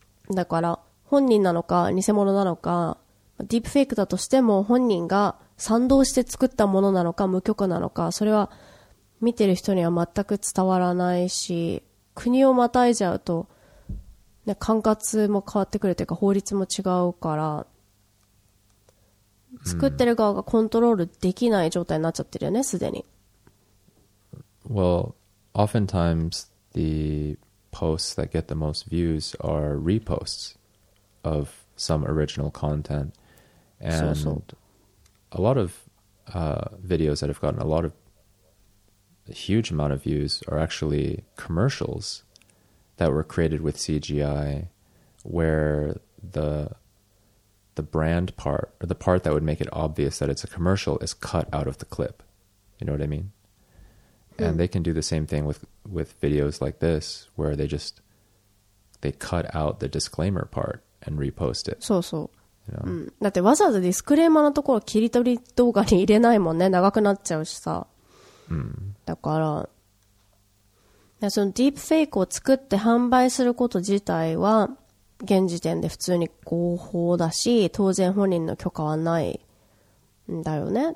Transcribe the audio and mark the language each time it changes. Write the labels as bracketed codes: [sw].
[ja] だから本人なのか偽物なのか、ディープフェイクだとしても本人が賛同して作ったものなのか無許可なのか、それは見てる人には全く伝わらないし、国をまたいじゃうと、ね、管轄も変わってくるというか法律も違うから、作ってる側がコントロールできない状態になっちゃってるよね、すでに。 [en] Well, oftentimes the posts that get the most views are reposts of some original content. And [ja] そうそう、 [en] a lot of、videos that have gotten a lot of a huge amount of views are actually commercials that were created with CGI where the brand part, or the part that would make it obvious that it's a commercial, is cut out of the clip. You know what I mean? And they can do the same thing with videos like this, where they cut out the disclaimer part and repost it. [ja] そうそう。だってわざわざディスクレーマーのところ切り取り動画に入れないもんね。長くなっちゃうしさ。だから、そのディープフェイクを作って販売すること自体は、現時点で普通に合法だし、当然本人の許可はないんだよね。